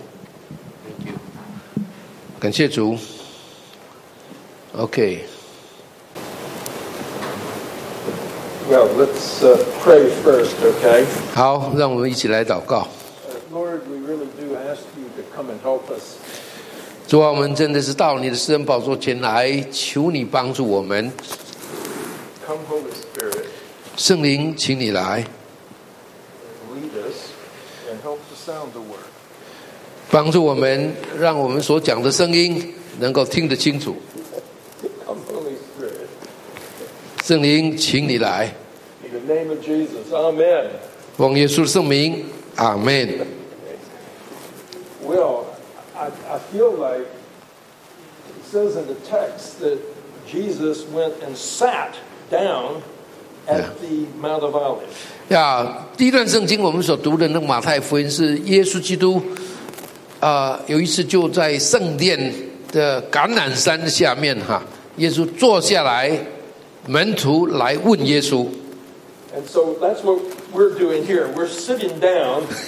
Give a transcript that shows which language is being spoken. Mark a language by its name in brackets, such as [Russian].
[English] Thank you. [Chinese] 感谢主. [English] Okay. Well, let's pray first, okay? [Chinese] 好, 让我们一起来祷告. [English] Lord, we really do ask you to come and help us. [Chinese] 主, 我们真的是到你的施恩宝座前来，求你帮助我们。 [English] Come Holy Spirit. [Chinese] 圣灵, 请你来。 [English] Lead us and help to sound the word. [Chinese] 帮助我们, 让我们所讲的声音 能够听得清楚。 [English] Come Holy Spirit. [Chinese] 圣灵, 请你来。 [English] In the name of Jesus, Amen. [Chinese] 奉耶稣圣名, Amen. [English] Well, I feel like it says in the text that Jesus went and sat down at the Mount of Olives. [Chinese] Yeah, 第一段圣经我们所读的那个马太福音是耶稣基督 有一次就在圣殿的橄榄山下面 耶稣坐下来 门徒来问耶稣。 [English] And so that's what we're doing here. We're sitting down.